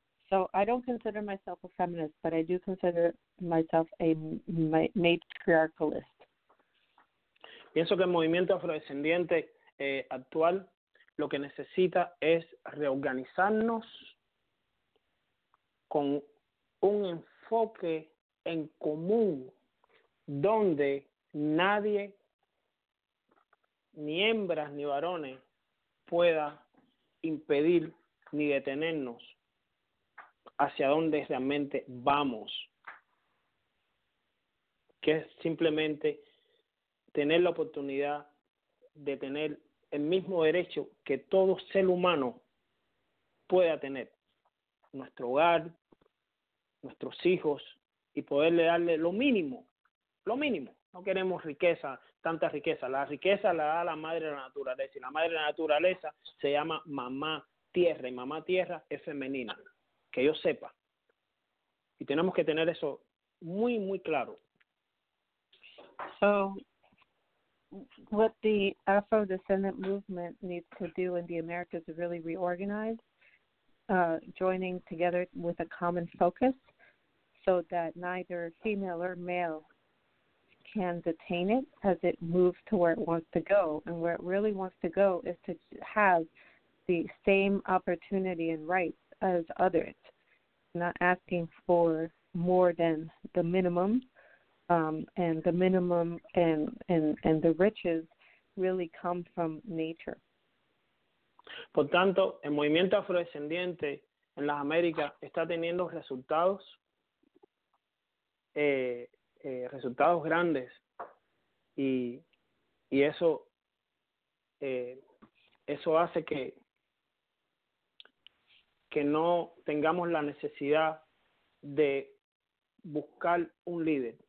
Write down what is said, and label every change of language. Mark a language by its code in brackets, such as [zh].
[en] So I don't consider myself a feminist, but I do consider myself a matriarchalist. [es] Pienso que el movimiento afrodescendiente actual lo que necesita es reorganizarnos con un enfoque en común donde nadie, ni hembras ni varones, pueda impedir ni detenernos hacia donde realmente vamos, que es simplemente tener la oportunidad de tener el mismo derecho que todo ser humano pueda tener, nuestro hogar, nuestros hijos, y poderle darle lo mínimo, lo mínimo. No queremos riqueza, tanta riqueza. La riqueza la da la madre de la naturaleza, y la madre de la naturaleza se llama mamá tierra, y mamá tierra es femenina, que yo sepa. Y tenemos que tener eso muy, muy claro. [en] So, what the Afro-Descendant movement needs to do in the Americas is really reorganize, joining together with a common focus, so that neither female or male can detain it as it moves to where it wants to go. And where it really wants to go is to have the same opportunity and rights as others, not asking for more than the minimum. And the minimum and the riches really come from nature. [es] Por tanto, el movimiento afrodescendiente en las Américas está teniendo resultados, resultados grandes, y eso, eso hace que no tengamos la necesidad de buscar un líder.